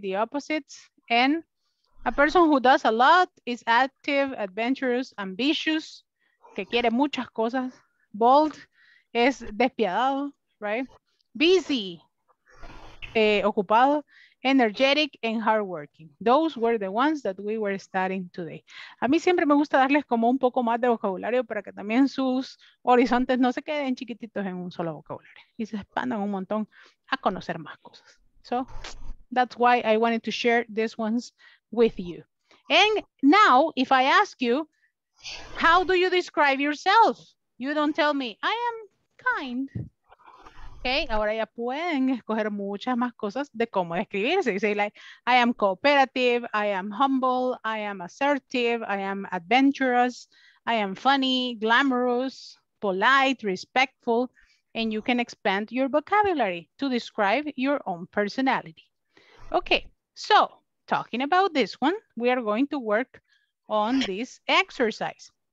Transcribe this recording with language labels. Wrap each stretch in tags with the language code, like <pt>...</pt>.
<en>The opposites. And a person who does a lot is active, adventurous, ambitious,</en> <es>que quiere muchas cosas,</es> <en>bold,</en> <es>es despiadado,</es> <en>right? Busy, ocupado, energetic, and hardworking. Those were the ones that we were studying today.</en> <es>A mí siempre me gusta darles como un poco más de vocabulario para que también sus horizontes no se queden chiquititos en un solo vocabulario y se expandan un montón a conocer más cosas.</es> <en>So that's why I wanted to share these ones with you. And now, if I ask you, how do you describe yourself? You don't tell me, I am kind.</en> <es>Okay, ahora ya pueden escoger muchas más cosas de cómo describirse.</es> <en>You say like, I am cooperative, I am humble, I am assertive, I am adventurous, I am funny, glamorous, polite, respectful, and you can expand your vocabulary to describe your own personality. Okay, so talking about this one, we are going to work on this exercise.</en>